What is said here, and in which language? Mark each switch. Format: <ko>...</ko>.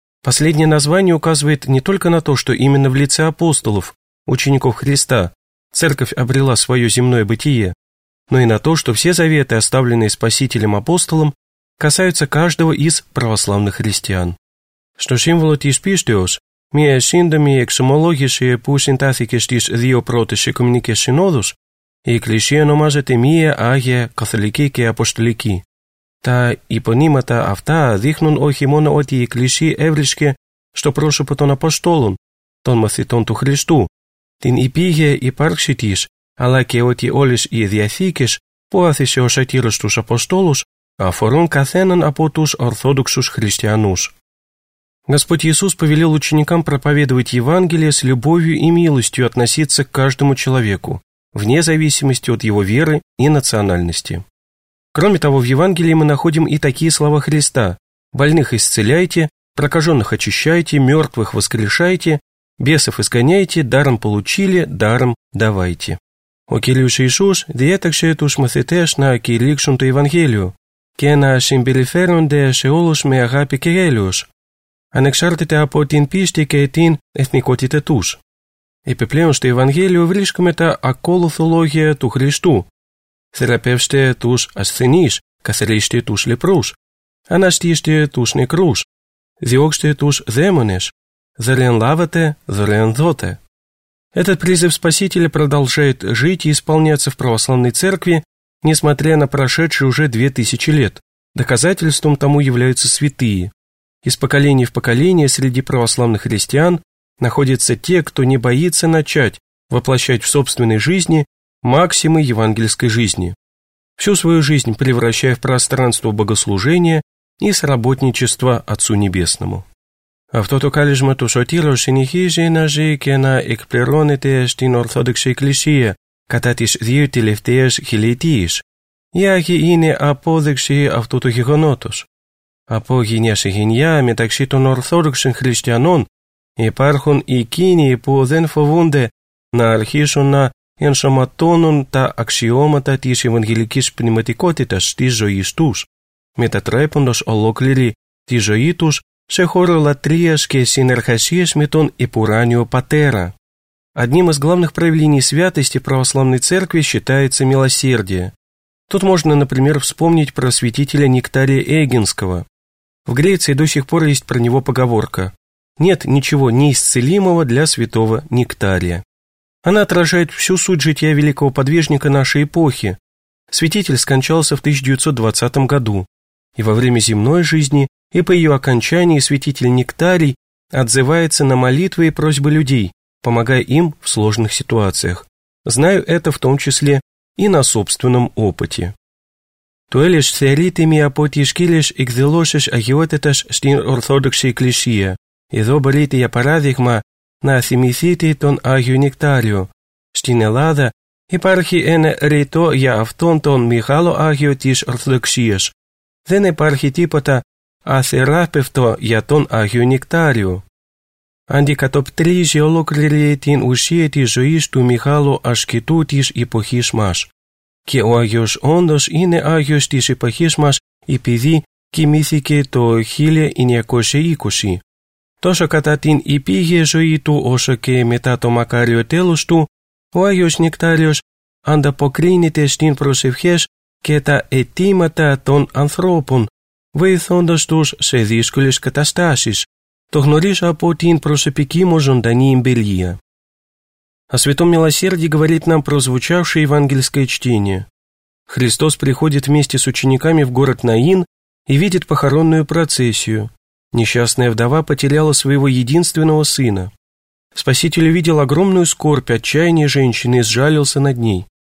<ru>Последнее название указывает не только на то, что именно в лице апостолов, учеников Христа, Церковь обрела свое земное бытие, но и на то, что все заветы, оставленные Спасителем апостолом, касаются каждого из православных христиан. Что символ Тиспистиос?</ru> <el>Μια σύντομη εξομολόγηση που συντάθηκε στις δύο πρώτες Οικουμενικές Συνόδους, η Εκκλησία ονομάζεται Μία Άγια Καθολική και Αποστολική. Τα υπονήματα αυτά δείχνουν όχι μόνο ότι η Εκκλησία έβρισκε στο πρόσωπο των Αποστόλων, των μαθητών του Χριστού, την υπήγεια υπάρξη της, αλλά και ότι όλες οι διαθήκες που άθισε ο Σατήρος στους Αποστόλους αφορούν καθέναν από τους Ορθόδοξους Χριστιανούς.</el> <ru>Господь Иисус повелел ученикам проповедовать Евангелие с любовью и милостью относиться к каждому человеку, вне зависимости от его веры и национальности. Кроме того, в Евангелии мы находим и такие слова Христа: «Больных исцеляйте, прокаженных очищайте, мертвых воскрешайте, бесов изгоняйте, даром получили, даром давайте».</ru> <el>Ο Κύριος Ιησούς διέταξε τους μαθητές να κηρύξουν το Ευαγγέλιο και να συμπεριφέρονται σε όλους με αγάπη και γέλιος, ανεξάρτητα από την πίστη και την εθνικότητα τους. Επιπλέον στο Ευαγγέλιο βρίσκουμε τα ακόλουθα λόγια του Χριστού. Θεραπεύστε τους ασθενείς, καθαρίστε τους λεπρούς, αναστήστε τους νεκρούς, διώξτε τους δαίμονες, δωρεάν λάβατε, δωρεάν δώτε.</el> <ru>Этот призыв Спасителя продолжает жить и исполняться в православной церкви, несмотря на прошедшие уже 2000 лет. Доказательством тому являются святые. Из поколения в поколение среди православных христиан находятся те, кто не боится начать воплощать в собственной жизни максимы евангельской жизни, всю свою жизнь превращая в пространство богослужения и сработничества Отцу Небесному.</ru> <el>Αυτό το κάλεσμα του Σωτήρου συνεχίζει να ζει και να εκπληρώνεται στην Ορθόδοξη Εκκλησία κατά τις δύο τελευταίες χιλιετίες. Οι Άγιοι είναι απόδειξη αυτού του γεγονότος. Από γενιά σε γενιά, μεταξύ των Ορθόδοξων Χριστιανών, υπάρχουν εκείνοι που δεν φοβούνται να αρχίσουν να ενσωματώνουν τα αξιώματα της Ευαγγελικής Πνευματικότητας στη ζωή τους, μετατρέποντας ολόκληρη τη ζωή τους σε χώρο λατρείας και συνεργασίας με τον Επουράνιο Πατέρα.</el> <ru>Одним из главных проявлений святости православной церкви считается милосердие. Тут можно, например, вспомнить про святителя Нектария Эгинского. В Греции до сих пор есть про него поговорка «Нет ничего неисцелимого для святого Нектария». Она отражает всю суть жития великого подвижника нашей эпохи. Святитель скончался в 1920 году, и во время земной жизни, и по ее окончании святитель Нектарий отзывается на молитвы и просьбы людей, помогая им в сложных ситуациях. Знаю это в том числе и на собственном опыте.</ru> <el>Το έλεος θεωρείται μία από τις κύριες εκδηλώσεις αγιότητας στην Ορθόδοξη Εκκλησία. Εδώ μπορείτε, για παράδειγμα, να θυμηθείτε τον Άγιο Νεκτάριο. Στην Ελλάδα υπάρχει ένα ρητό για αυτόν τον μεγάλο Άγιο της Ορθοδοξίας. Δεν υπάρχει τίποτα αθεράπευτο για τον Άγιο Νεκτάριο. Αντικατοπτρίζει ολόκληρη την ουσία της ζωής του μεγάλου ασκητού της εποχής μας. Και ο Άγιος όντως είναι Άγιος της εποχής μας επειδή κοιμήθηκε το 1920. Τόσο κατά την υπήγεια ζωή του όσο και μετά το μακάριο τέλος του, ο Άγιος Νεκτάριος ανταποκρίνεται στην προσευχές και τα αιτήματα των ανθρώπων, βοηθώντας τους σε δύσκολες καταστάσεις. Το γνωρίζω από την προσωπική μου ζωντανή εμπειρία.</el> <ru>О святом милосердии говорит нам прозвучавшее евангельское чтение. Христос приходит вместе с учениками в город Наин и видит похоронную процессию. Несчастная вдова потеряла своего единственного сына. Спаситель видел огромную скорбь, отчаяние женщины и сжалился над ней.</ru>